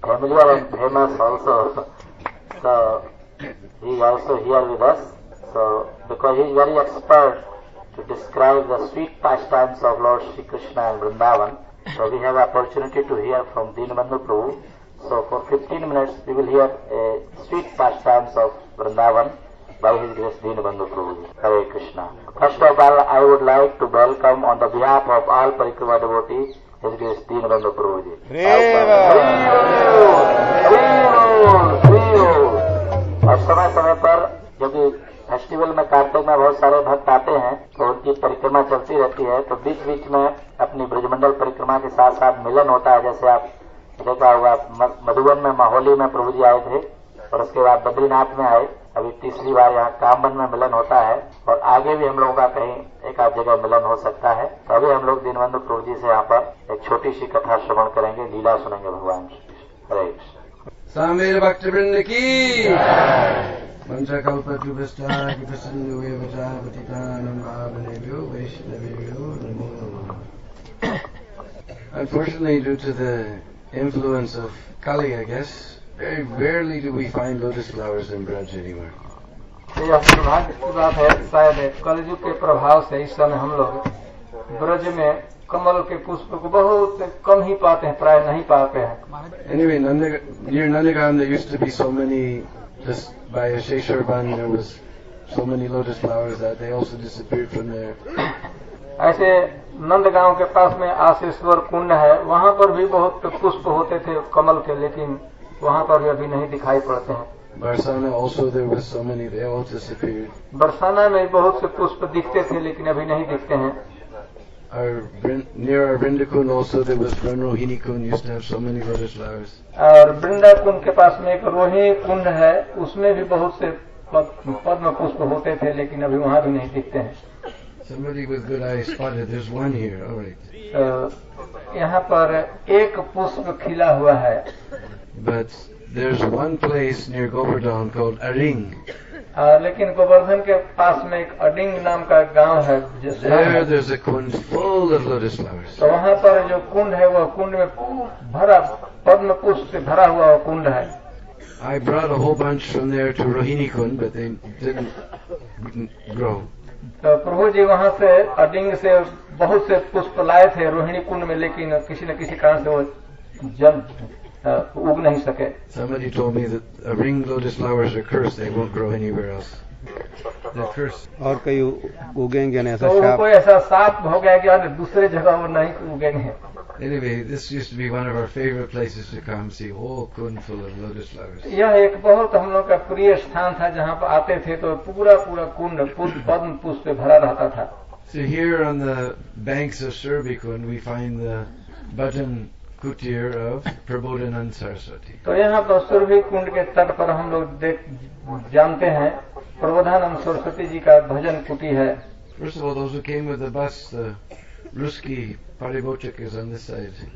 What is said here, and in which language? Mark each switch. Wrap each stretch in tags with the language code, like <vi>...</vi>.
<en>Also, so he also here with us, so because he is very expert to describe the sweet pastimes of lord Shri Krishna and Vrindavan, so we have opportunity to hear from Dinabandhu Prabhu, so for 15 minutes we will hear a sweet pastimes of Vrindavan by His Grace Dinabandhu Prabhuji. Hare Krishna. First of all, I would like to welcome on the behalf of all Parikrama devotees His Grace Dinabandhu Prabhuji. Reva! Reva! Reva! Reva!</en> <hi>और समय समय पर क्योंकि festival में कार्तिक में बहुत सारे भक्त आते हैं तो उनकी परिक्रमा चलती रहती है, तो बीच बीच में अपनी ब्रजमंडल परिक्रमा के साथ साथ मिलन होता है। जैसे आप देखा होगा मधुबन में माहौली में प्रभु जी आए थे और उसके बाद बद्रीनाथ में आए, अभी तीसरी बार यहाँ कामबन में मिलन होता है और आगे भी हम लोगों का कहीं एक आध जगह मिलन हो सकता है। तो अभी हम लोग दीनबंधु प्रभु जी से यहाँ पर एक छोटी सी कथा श्रवण करेंगे, लीला सुनेंगे भगवान श्री कृष्ण।</hi> <sa>हरे कृष्ण भक्तवृंद की पंचा कल प्रति वैष्णवेभ्यो नमो नमः।</sa> <en>Unfortunately, due to the influence of Kali, I guess, very rarely do we find lotus flowers in Braj anywhere.</en> <hi>यह दुर्भाग्य की बात है, शायद कलयुग के प्रभाव से इस समय हम लोग ब्रज में कमल के पुष्प को बहुत कम ही पाते हैं, प्राय नहीं पाते हैं।</hi> <en>Anyway, near Nandigram there used to be so many, just by Sheshwar Bandh there was so many lotus flowers that they also disappeared from there.</en> <hi>ऐसे नंदगांव के पास में आशेश्वर कुंड है, वहाँ पर भी बहुत पुष्प होते थे कमल के, लेकिन वहाँ पर भी अभी नहीं दिखाई पड़ते हैं।</hi> <en>Barsana also there was so many, they all disappeared.</en> <hi>Barsana में बहुत से पुष्प दिखते थे लेकिन अभी नहीं दिखते हैं।</hi> <en>Our near our Vrindakund also there was one Rohini Kund, used to have so many lotus flowers.</en> <hi>और वृंदाकुंड के पास में एक रोहिणी कुंड है, उसमें भी बहुत से पद्म पुष्प होते थे लेकिन अभी वहाँ भी नहीं दिखते हैं।</hi> <en>Somebody with good eyes spotted. There's one here. All right.</en> <hi>यहाँ पर एक पुष्प खिला हुआ है।</hi> <en>But there's one place near Govardhan called Aring.</en> <hi>लेकिन गोवर्धन के पास में एक अडिंग नाम का गांव है।</hi> <en>There's a kund full of lotus flowers.</en> <hi>तो वहाँ पर जो कुंड है वह कुंड में भरा पद्म पुष्प से भरा हुआ वह कुंड है।</hi> <en>I brought a whole bunch from there to Rohini Kund, but they didn't grow.</en> <hi>तो प्रभु जी वहाँ से अडिंग से बहुत से पुष्प लाए थे रोहिणी कुंड में, लेकिन किसी न किसी कारण से वो जल उग नहीं सके।</hi> <en>Somebody told me that a ring lotus flowers are cursed, they won't grow anywhere else. They're cursed.</en> <hi>और कई उगेंगे नहीं ऐसा साफ। तो कोई ऐसा साफ हो गया कि यार दूसरे जगह वो नहीं उगेंगे।</hi> <en>Anyway, this used to be one of our favorite places to come see whole kund full of lotus flowers.</en> <hi>यह एक बहुत हम लोग का प्रिय स्थान था, जहाँ पर आते थे तो पूरा पूरा कुंड पद्म पुष्प से भरा रहता था।</hi> <en>So here on the banks of Surbhi Kund, we find the button kutir of Prabodhananda Saraswati.</en> <hi>तो यहाँ पर सुरभि कुंड के तट पर हम लोग देख जानते हैं प्रबोधानंद सरस्वती जी का भजन कुटी है।</hi> <en>First of all, those who came with the bus, the Ruski Parivochak is on this side.</en>